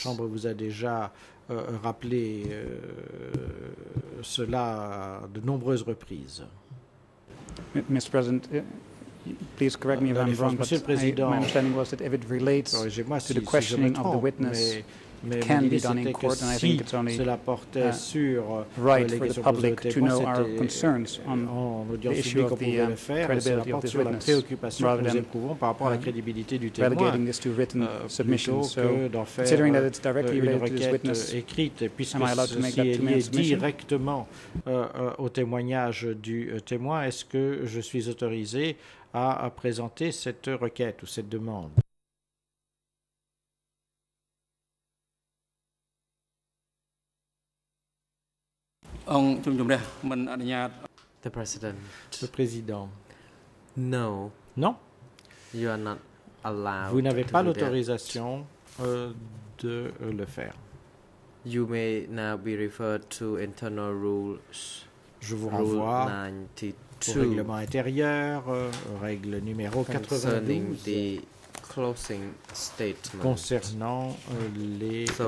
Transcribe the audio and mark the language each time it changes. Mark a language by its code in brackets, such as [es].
[fr] chambre vous a déjà rappelé cela de nombreuses reprises. [en] Mr. President, please correct me if I'm wrong, but my understanding was that if it relates to the questioning of the witness, it can be done in court, and I think it's only right for the public to know our concerns on the issue of the credibility of this witness, rather than relegating this to written submissions. So, considering that it's directly related to this witness, am I allowed to make that 2 minutes submission? [fr] Au témoignage du témoin, est-ce que je suis autorisé à présenter cette requête ou cette demande. [en] The President. [fr] Le Président. [en] No. [fr] Non. [en] You are not allowed. [fr] Vous n'avez pas l'autorisation de le faire. [en] You may now be referred to internal rules. [fr] Je vous renvoie au règlement intérieur, règle numéro 92, concernant les...